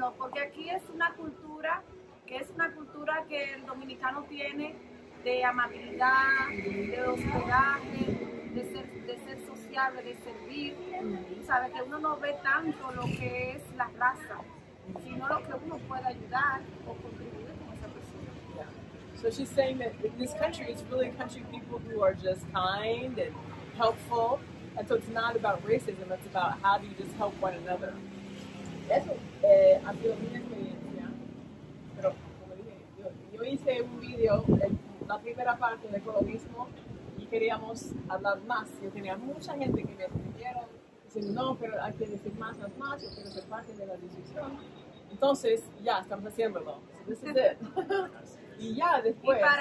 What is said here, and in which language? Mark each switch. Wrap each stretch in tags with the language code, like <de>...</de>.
<es>No, porque aquí es una cultura que el dominicano tiene de amabilidad, de hospedaje, de ser sociable, de servir. Sabe que uno no ve tanto lo que es la raza, sino lo que uno puede ayudar o contribuir con esa persona.</es> <en>Yeah. So she's saying that in this country it's really a country of people who are just kind and helpful. And so it's not about racism, it's about how do you just help one another.</en> <es>Eso, ha sido mi experiencia. Pero, como dije, yo hice un video, la primera parte de colorismo, y queríamos hablar más. Yo tenía mucha gente que me escribieron, diciendo, no, pero hay que decir más, yo quiero ser parte de la discusión. Entonces, ya, estamos haciéndolo.</es> <en>So this is it.</en> <es>Y ya, después.</es>